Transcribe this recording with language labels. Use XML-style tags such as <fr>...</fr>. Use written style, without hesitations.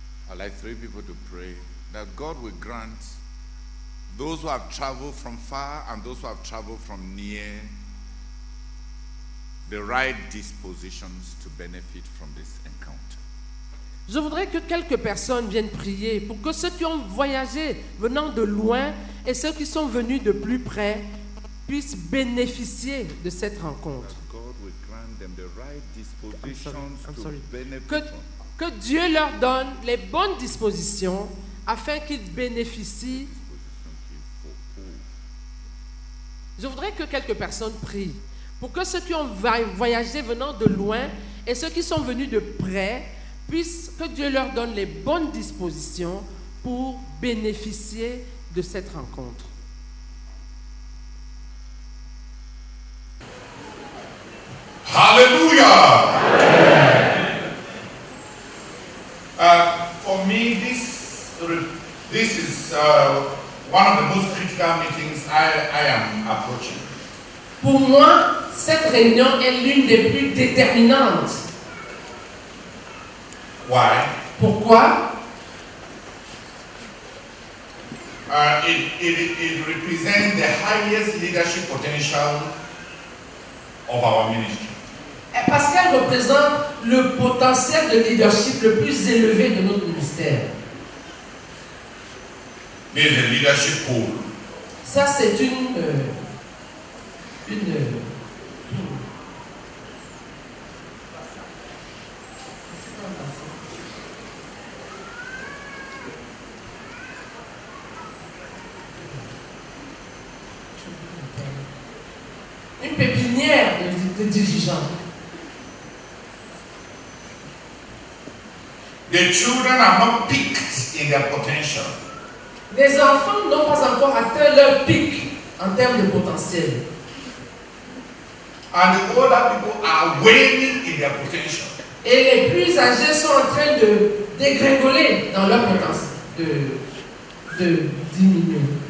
<en>I'd like three people to pray that God will grant those who have traveled from far and those who have traveled from near the right dispositions to benefit from this encounter.</en> <fr>Je voudrais que quelques personnes viennent prier pour que ceux qui ont voyagé venant de loin et ceux qui sont venus de plus près puissent bénéficier de cette rencontre.</fr> <en>That God will grant them the right dispositions to benefit.</en> <fr>Que Dieu leur donne les bonnes dispositions afin qu'ils bénéficient. Je voudrais que quelques personnes prient pour que ceux qui ont voyagé venant de loin et ceux qui sont venus de près puissent que Dieu leur donne les bonnes dispositions pour bénéficier de cette rencontre. Alléluia!</fr> <en>For me, this is one of the most critical meetings I am approaching.</en> <fr>Pour moi, cette réunion est l'une des plus déterminantes.</fr> <en>Why?</en> <fr>Pourquoi?</fr> <en>It represents the highest leadership potential of our ministry.</en> <fr>Parce qu'elle représente le potentiel de leadership le plus élevé de notre ministère. Mais le</fr> <en>leadership pool.</en> <fr>Ça, c'est une pépinière de dirigeants.</fr> <en>The children are not picked in their potential.</en> <fr>Les enfants n'ont pas encore atteint leur pic en termes de potentiel.</fr> <en>And the older people are waning in their potential.</en> <fr>et les plus âgés sont en train de dégringoler dans leur potentiel, de diminuer.</fr>